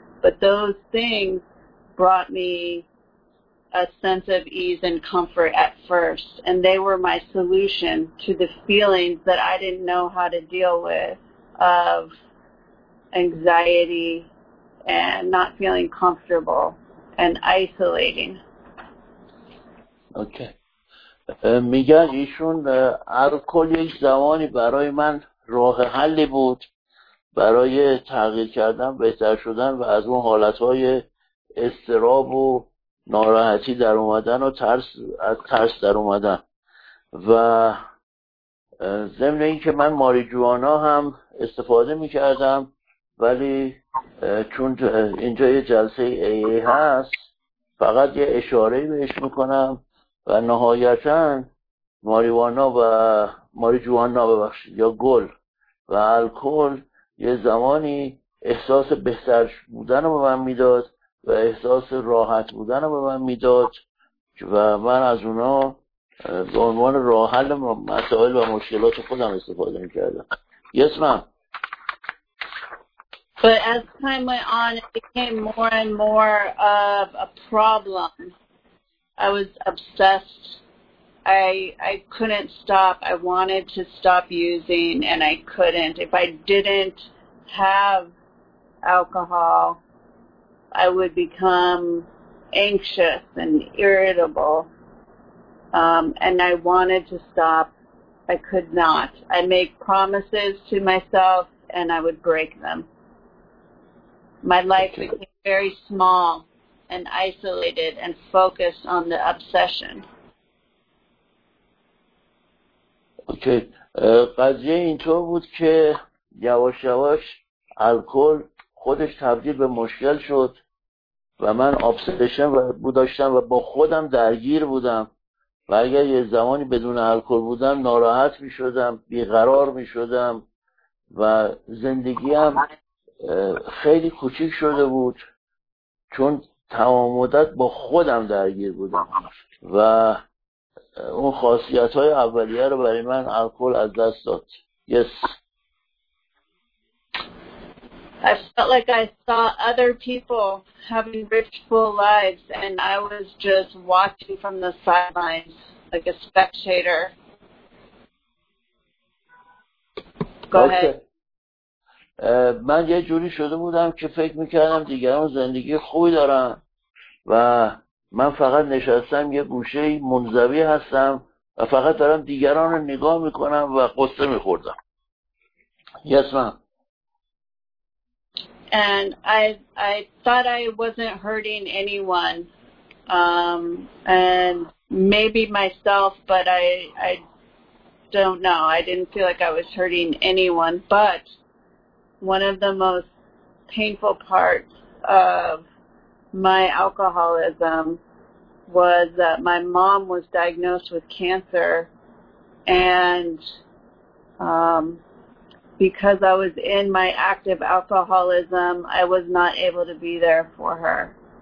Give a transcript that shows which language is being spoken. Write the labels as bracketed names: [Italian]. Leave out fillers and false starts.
[English] But those things brought me a sense of ease and comfort at first, and they were my solution to the feelings that I didn't know how to deal with of anxiety and not feeling comfortable and isolating. Okay. [Persian] میگن ایشون الکل یک زمانی برای من راه حلی بود برای تغییر کردن، بهتر شدن و از اون حالتهای اضطراب و ناراحتی در اومدن و ترس از ترس در اومدن. و ضمن این که من ماری جوانا هم استفاده می کردم، ولی چون اینجا یه جلسه ای هست فقط یه اشاره بهش میکنم و نهایتا ماریوانا و ماری جوانا ببخشید یا گل و الکل یه زمانی احساس بهتر بودن رو به من میداد و احساس راحت بودن رو به من میداد و من از اونا به عنوان راه حل مسائل و مشکلات خودم استفاده میکردم. [English] Yes hmm. But as time went on, it became more and more of a problem. I was obsessed. I couldn't stop. I wanted to stop using, and I couldn't. If I didn't have alcohol, I would become anxious and irritable. And I wanted to stop. I could not. I make promises to myself, and I would break them. My life became very small and isolated and focused on the obsession. Okay. [Persian] قضیه اینطور بود که یواش یواش الکل خودش تبدیل به مشکل شد و من obsession داشتم و با خودم درگیر بودم و اگر یه زمانی بدون الکل بودم ناراحت می شدم، بیقرار می شدم و زندگیم خیلی کوچیک شده بود چون تمام مدت با خودم درگیر بودم و اون خاصیت های اولیه رو برای من الکل از دست داد. [English] Yes. I felt like I saw other people having rich full lives and I was just watching from the sidelines like a spectator. Go ahead. [Persian] من یه جوری شده بودم که فکر میکردم دیگران زندگی خوبی دارن و من فقط نشستم یه گوشه منزوی هستم و فقط دارم دیگران رو نگاه میکنم و قصه میخوردم. [English] Yes, ma'am. And I thought I wasn't hurting anyone, and maybe myself, but I don't know. I didn't feel like I was hurting anyone, but one of the most painful parts of my alcoholism was that my mom was diagnosed with cancer, and because I was in my active alcoholism, I was not able to be there for her.